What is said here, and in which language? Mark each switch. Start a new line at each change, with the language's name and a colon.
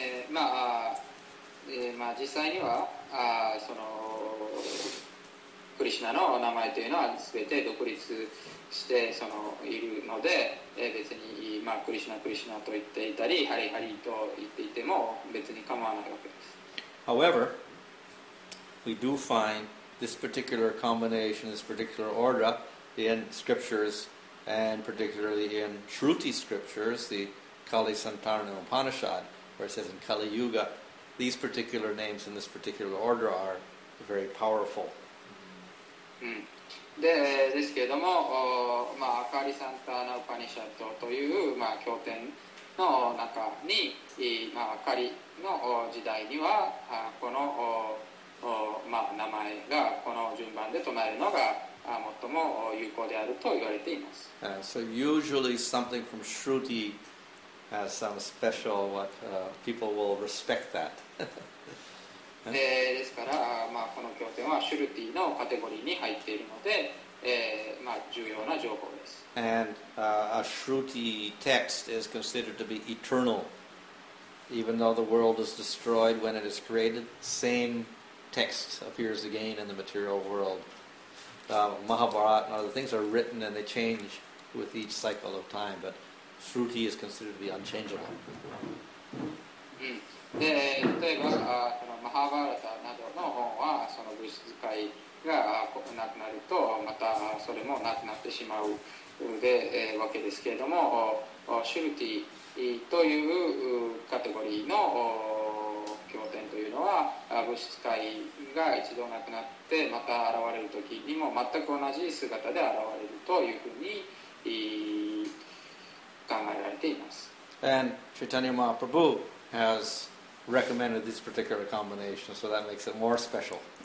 Japanese: まあ、実際には、その、クリシュナの名前というのは全て独立してそのいるので、別に、まあ、クリシュナ、クリシュナと言っていたり、ハリ、ハリと言っていても別に構わないわけです。
English: However,we do find this particular combination, this particular order in scriptures, and particularly in Shruti scriptures, the Kali Santarana Upanishad, where it says in Kali Yuga, these particular names in this particular order are very powerful.
Japanese: ですけれども、まあ、Kali Santarana Upanishad という、まあ、経典の中に、まあ、Kali の時代には、この、まあ、名前がこの順番で唱えるのが最も有効であると言われています。
English: So usually something from Shruti has some special what people will respect that.
Japanese: ですから、まあ、この経典はシュルティのカテゴリーに入っているので、まあ、重要な情報です。
English: And a Shruti text is considered to be eternal, even though the world is destroyed when it is created. Same text appears again in the material world. Mahabharata and other things are written and they change with each cycle of time, but Shruti is considered to be unchangeable.
Japanese: で、例えば、マハーバーラタなどの本は、その物質界がなくなると、またそれもなくなってしまうで、わけですけれども、シュルティという categoryの経典というのは、物質界が一度なくなって、また現れる時にも全く同じ姿で現れるというふうに考えられています。And
English: Chaitanya Mahaprabhu has recommended this particular combination, so that makes it more special.